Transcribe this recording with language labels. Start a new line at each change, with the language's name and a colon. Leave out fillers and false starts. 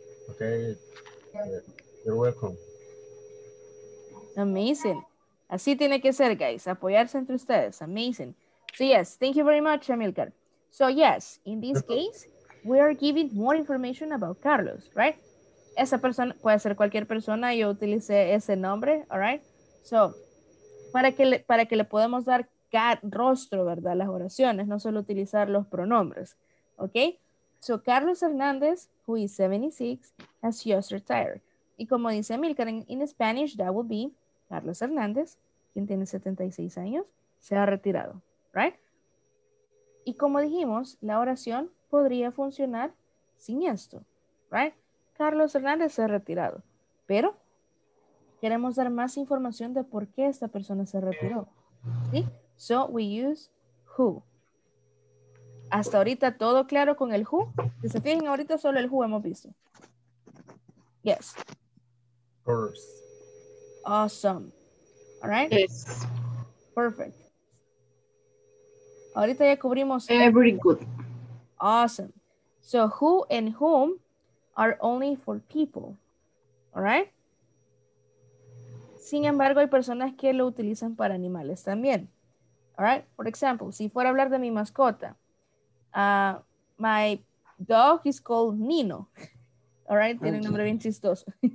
English: Okay. You're welcome.
Spanish: Amazing. Así tiene que ser, guys. Apoyarse entre ustedes. Amazing. So, yes.
English: Thank you very much, Amilcar. So, yes. In this case, we are giving more information about Carlos, right?
Spanish: Esa persona puede ser cualquier persona. Yo utilicé ese nombre, all right? So, para que le podamos dar rostro, ¿verdad? Las oraciones. No solo utilizar los pronombres, okay?
English: So, Carlos Hernández, who is 76, has just retired.
Spanish: Y como dice Amilcar, in Spanish, that would be Carlos Hernández, quien tiene 76 años, se ha retirado, right? Y como dijimos, la oración podría funcionar sin esto, right? Carlos Hernández se ha retirado, pero queremos dar más información de por qué esta persona se retiró, ¿sí? So we use who. Hasta ahorita todo claro con el who. Si se fijan, ahorita solo el who hemos visto. Yes.
English: First. Awesome. All right. Yes.
Spanish: Perfect. Ahorita ya cubrimos.
English: Very good. Awesome. So who and whom are only for people. All right.
Spanish: Sin embargo, hay personas que lo utilizan para animales también. All right. For example, si fuera a hablar de mi mascota.
English: My dog is called Nino. All right.
Spanish: Tiene un nombre bien chistoso.